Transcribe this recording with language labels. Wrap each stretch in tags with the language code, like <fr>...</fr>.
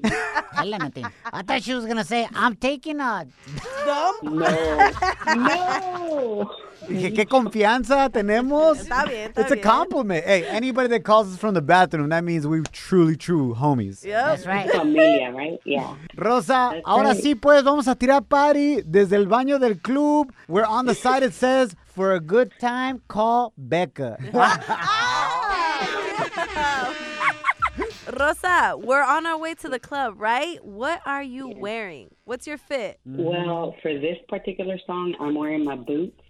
<en>Tell anything. I thought she was going to say, I'm taking a dump. No.</en> <es>Que confianza tenemos. Está bien, está</es> <en>it's a</en> <es>bien.</es> <en>Compliment. Hey, anybody that calls us from the bathroom, that means we're truly true homies. Yep. That's right. Familia, right? Yeah.</en> <es>Rosa, ahora sí pues, vamos a tirar party desde el baño del club.</es> <en>We're on the side it says, for a good time, call Becca. Rosa, we're on our way to the club, right? What are you wearing? What's your fit? Well, for this particular song, I'm wearing my boots.</en>